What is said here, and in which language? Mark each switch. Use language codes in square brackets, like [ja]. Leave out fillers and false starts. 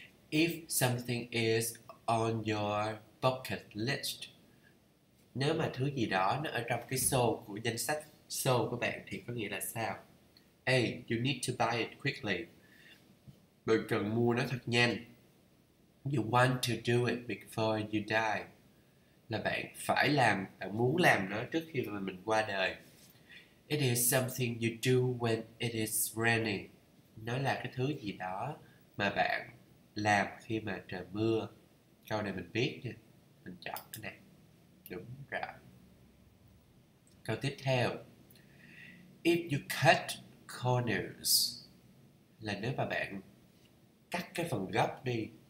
[en] If something is on your bucket list, [vi] nếu mà thứ gì đó nó ở trong cái sổ của danh sách sổ của bạn thì có nghĩa là sao? [en] A, you need to buy it quickly. [vi] Bạn cần mua nó thật nhanh. [en] You want to do it before you die. [vi] Là bạn phải làm, bạn muốn làm nó trước khi mà mình qua đời. [en] It is something you do when it is raining. [vi] Nó là cái thứ gì đó mà bạn làm khi mà trời mưa. Câu này mình biết nha. Mình chọn cái này. Đúng rồi. Câu tiếp theo. [en] If you cut corners, [vi] là nếu mà bạn cắt cái phần gốc đi.